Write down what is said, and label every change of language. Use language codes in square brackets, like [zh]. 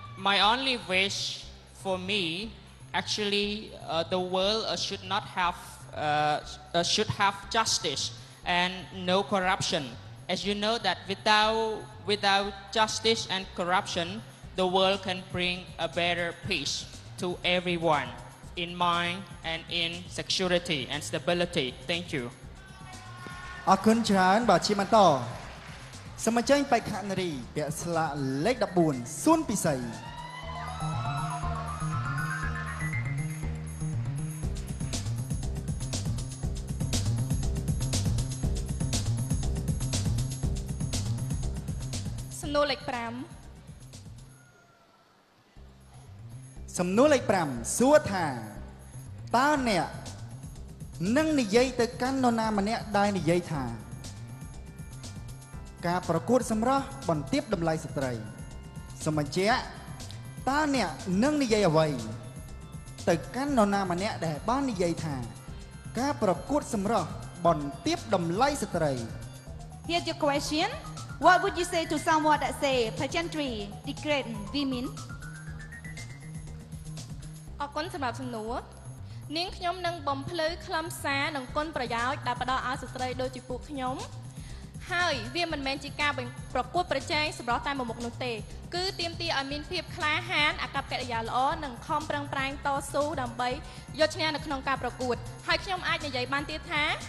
[en] My only wish for me actually the world should not haveshould have justice and no corruption. As you know that without justice and corruption, the world can bring a better peace to everyone in mind and in security and stability. Thank you. [km] អរគុណច្រើនបាទជាបន្តសមាជិកបេក្ខនារីពាក្យស្លាកលេខ14សួនពិសី សំណួរលេខ5 សំណួរលេខ5សួរថាតើអ្នកនឹងនិយាយទៅកាន់នរណាម្នាក់ដែលនិយាយថាការប្រកួតសម្រាប់បន្ទាបតម្លៃស្ត្រីសូមបញ្ជាក់តើអ្នកនឹងនិយាយអ្វីទៅកាន់នរណាម្នាក់ដែលបាននិយាយថាការប្រកួតសម្រាប់បន្ទាបតម្លៃស្ត្រី [en] Here's your questionWhat would you say to someone that say pageantry degrade women? [km] អរគុណសម្រាប់សំណួរនាងខ្ញុំនឹងបំភ្លឺខ្លឹមសារនឹងគុណប្រយោជន៍ដែលផ្ដល់ឲ្យស្ត្រីដូចជាពួកខ្ញុំហើយវាមិនមែនជាការប្រកួតប្រជែងសម្រាប់តែមុខនោះទេគឺទាមទារឲ្យមានភាពក្លាហានអាកប្បកិរិយាល្អនិងខំប្រឹងប្រែងតស៊ូដើម្បីយកឈ្នះនៅក្នុងការប្រកួតហើយខ្ញុំអាចនិយាយបានទៀតថា